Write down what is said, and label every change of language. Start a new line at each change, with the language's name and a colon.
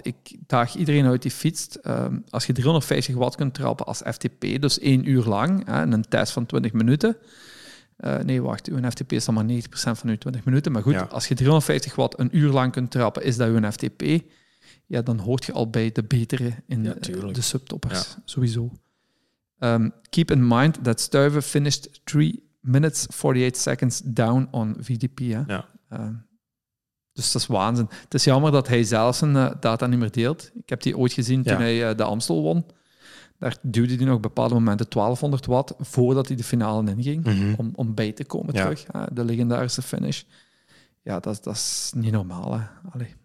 Dutch: Ik daag iedereen uit die fietst. Als je 350 watt kunt trappen als FTP, dus 1 uur lang, en een test van 20 minuten. Uw FTP is dan maar 90% van uw 20 minuten. Maar goed, ja. Als je 350 watt een uur lang kunt trappen, is dat uw FTP. Ja, dan hoort je al bij de betere in de subtoppers. Ja. Sowieso.
English: Keep in mind that Stuyven finished 3 minutes 48 seconds down on VDP.
Dutch: Hè? Ja. Dus dat is waanzin. Het is jammer dat hij zelf zijn data niet meer deelt. Ik heb die ooit gezien toen hij de Amstel won. Daar duwde hij nog bepaalde momenten 1200 watt voordat hij de finale inging, mm-hmm. om bij te komen terug. Hè? De legendarische finish. Ja, dat is niet normaal. Hè? Allee.